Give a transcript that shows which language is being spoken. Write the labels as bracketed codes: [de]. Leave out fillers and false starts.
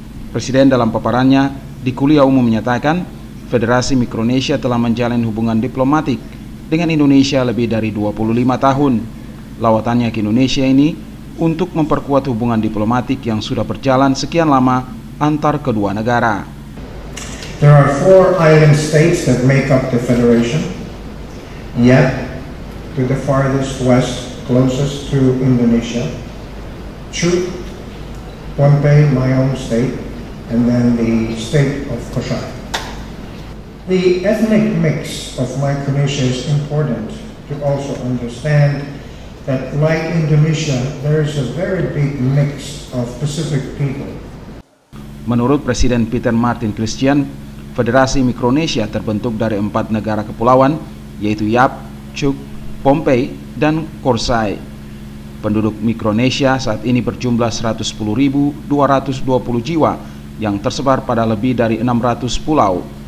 [id] Presiden dalam paparannya di kuliah umum menyatakan, Federasi Mikronesia telah menjalin hubungan diplomatik dengan Indonesia lebih dari 25 tahun. Lawatannya ke Indonesia ini untuk memperkuat hubungan diplomatik yang sudah berjalan sekian lama antar kedua negara. [en] There are four island states that make up the federation. Yet, to the farthest west, closest to Indonesia, Chuuk, Pohnpei, my own state, and then the state of Kosari. The ethnic mix of Micronesia is important to also understand that, like Indonesia, there is a very big mix of Pacific people. [id] Menurut Presiden Peter Martin Christian, Federasi Mikronesia terbentuk dari empat negara kepulauan, yaitu Yap, Chuuk, Pohnpei, dan Kosrae. Penduduk Mikronesia saat ini berjumlah 110.220 jiwa yang tersebar pada lebih dari 600 pulau.